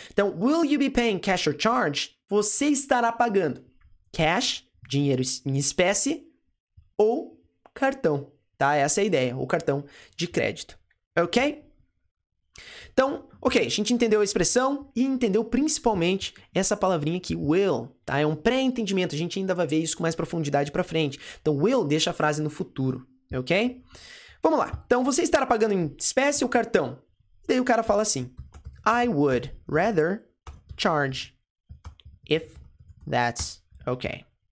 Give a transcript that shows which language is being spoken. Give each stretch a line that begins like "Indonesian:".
English: Então, will you be paying cash or charge?
Portuguese: Você estará pagando cash, dinheiro em espécie, ou cartão. Tá? Essa é a ideia. O cartão de crédito. Ok? Então, ok. A gente entendeu a expressão e entendeu principalmente essa palavrinha aqui, will. Tá? É um pré-entendimento, a gente ainda vai ver isso com mais profundidade pra frente. Então, will deixa a frase no futuro, ok? Vamos lá. Então, você estará pagando em espécie ou cartão?
English: E daí o cara fala assim, I would rather charge if that's ok.